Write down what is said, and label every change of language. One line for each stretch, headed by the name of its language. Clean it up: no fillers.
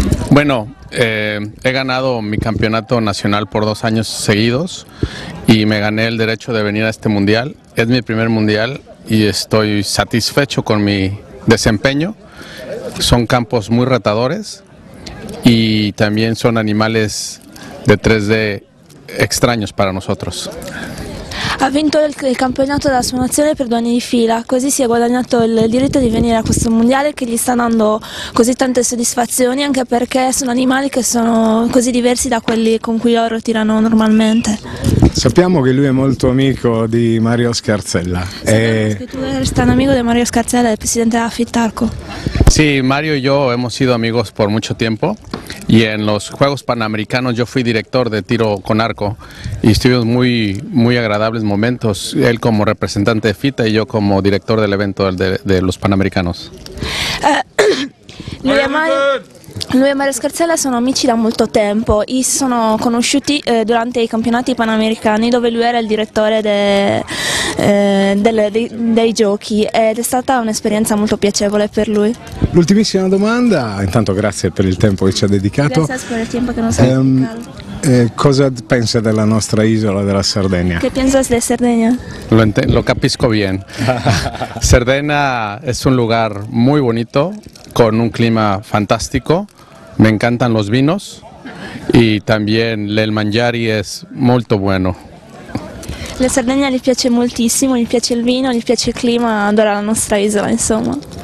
Spanish: Bueno, he ganado mi campeonato nacional por 2 años seguidos y me gané el derecho de venir a este mundial. Es mi primer mundial y estoy satisfecho con mi desempeño. Son campos muy retadores y también son animales de 3D extraños para nosotros.
Italian: Ha vinto il campionato della sua nazione per 2 anni di fila, così si è guadagnato il diritto di venire a questo mondiale che gli sta dando così tante soddisfazioni, anche perché sono animali che sono così diversi da quelli con cui loro tirano normalmente. Sappiamo che lui è molto amico di Mario Scarzella. Sì, tu sei un amico di Mario Scarzella, del presidente della Fittarco. Sì, Mario e io abbiamo
Spanish: sido amigos por mucho tiempo. Y en los Juegos Panamericanos yo fui director de tiro con arco y estuvimos muy, muy agradables momentos, él como representante de FITA y yo como director del evento de los Panamericanos.
Italian: Lui e Mario Scarzella sono amici da molto tempo e si sono conosciuti durante i campionati panamericani dove lui era il direttore dei giochi ed è stata un'esperienza molto piacevole per lui. L'ultimissima domanda, intanto grazie per il tempo che ci ha dedicato. Grazie per il tempo che non sei Cosa pensa della nostra isola, della Sardegna?
Spanish: Che piensas de Sardegna?
Italian: Lo capisco bien.
Spanish: Sardegna è un lugar muy bonito, con un clima fantástico, me encantan los vinos y también el mangiare es muy bueno.
Italian: La Sardegna le piace moltissimo, gli piace il vino, gli piace il clima, adora la nostra isola, insomma.